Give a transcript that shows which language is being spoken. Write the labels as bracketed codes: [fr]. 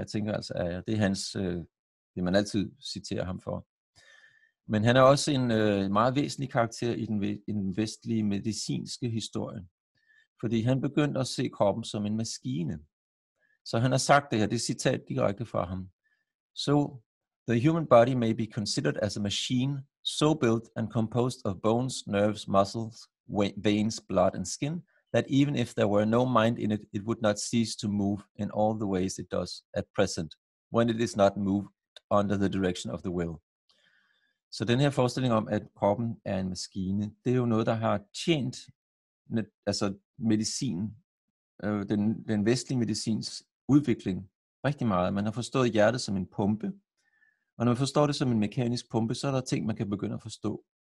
[da] Jeg tænker altså, er jeg. Det er hans, det man altid citerer ham for. Men han er også en meget væsentlig karakter i den vestlige medicinske historie, fordi han begyndte at se kroppen som en maskine. Så han har sagt det her, det er citat direkte fra ham. [en] So, the human body may be considered as a machine so built and composed of bones, nerves, muscles, veins, blood and skin, that even if there were no mind in it, it would not cease to move in all the ways it does at present, when it is not moved under the direction of the will. [da] Så den her forestilling om, at kroppen er en maskine, det er jo noget, der har tjent altså medicin, den vestlige medicins udvikling rigtig meget. Man har forstået hjertet som en pumpe, og når man forstår det som en mekanisk pumpe, så er der ting, man kan begynde at forstå.